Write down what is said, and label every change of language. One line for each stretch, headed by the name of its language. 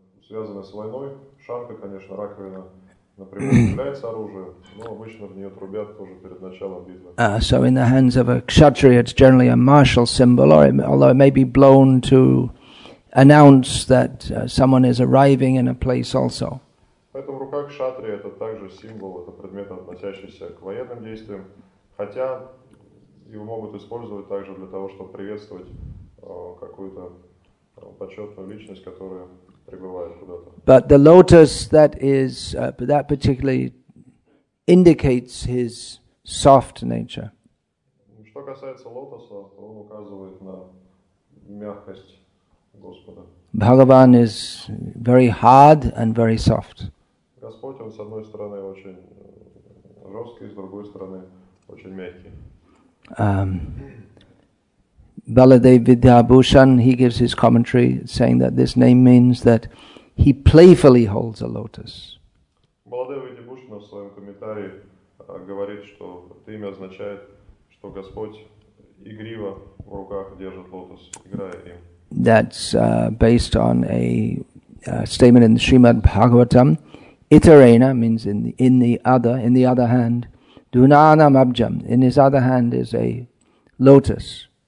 Russian: Связанная с войной, шанка, конечно, раковина, например, является оружием, но обычно в нее трубят тоже перед началом битвы.
English: So in the hands of a kshatriya, it's generally a martial symbol, or although it may be blown to announce that someone is arriving in a place also.
Russian: Поэтому в руках кшатрия это также символ, это предмет, относящийся к военным действиям, хотя его могут использовать также для того, чтобы приветствовать какую-то почетную личность, которая...
English: But the lotus that is that particularly indicates his soft nature.
Russian: Что касается лотоса, он указывает на мягкость Господа.
English: Bhagavan is very hard and very soft.
Russian: Господь, он с одной стороны очень жесткий, с другой стороны очень мягкий.
English: Baladev Vidyabhushan, he gives his commentary saying that this name means that he playfully holds a lotus.
Russian: Baladev Vidyabhushan в своем комментарии говорит, что это имя означает, что Господь игриво в руках держит лотос, играя им.
English: That's based on a statement in the Srimad Bhagavatam. Itarena means in the other hand. Dunanam abjam, in his other hand is a lotus.